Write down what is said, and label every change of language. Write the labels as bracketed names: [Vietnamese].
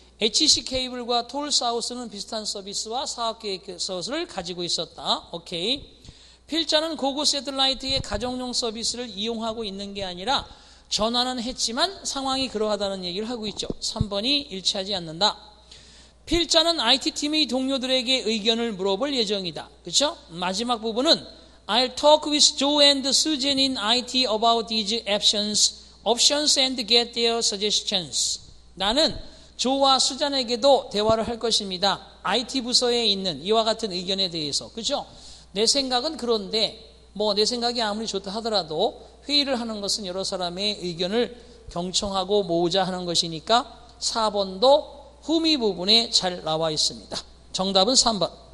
[Korean] HC 케이블과 톨 사우스는 비슷한 서비스와 사업계획서를 가지고 있었다. 오케이. 필자는 고고 세틀라이트의 가정용 서비스를 이용하고 있는 게 아니라 전화는 했지만 상황이 그러하다는 얘기를 하고 있죠. 3번이 일치하지 않는다. 필자는 IT팀의 동료들에게 의견을 물어볼 예정이다. 그렇죠? 마지막 부분은 [English] I'll talk with Joe and Susan in IT about these options and get their suggestions. [Korean] 나는 조와 수잔에게도 대화를 할 것입니다. IT 부서에 있는 이와 같은 의견에 대해서. 그렇죠? 내 생각은 그런데 뭐 내 생각이 아무리 좋다 하더라도 회의를 하는 것은 여러 사람의 의견을 경청하고 모으자 하는 것이니까 4번도 후미 부분에 잘 나와 있습니다. 정답은 3번.